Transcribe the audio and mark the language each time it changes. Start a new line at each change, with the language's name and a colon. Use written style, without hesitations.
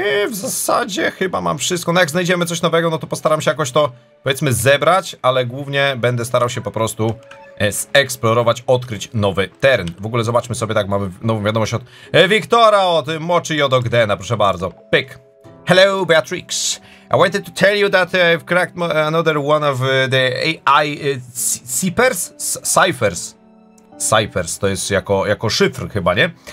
Polish: W zasadzie chyba mam wszystko, no jak znajdziemy coś nowego, no to postaram się jakoś to, powiedzmy, zebrać, ale głównie będę starał się po prostu zeksplorować, odkryć nowy teren. W ogóle zobaczmy sobie, tak, mamy nową wiadomość od Wiktora, od Mochi Jodogdena, proszę bardzo, pyk.
English: Hello, Beatrix. I wanted to tell you that I've cracked another one of the AI ciphers? Ciphers.
Polish: Ciphers, to jest jako szyfr chyba, nie?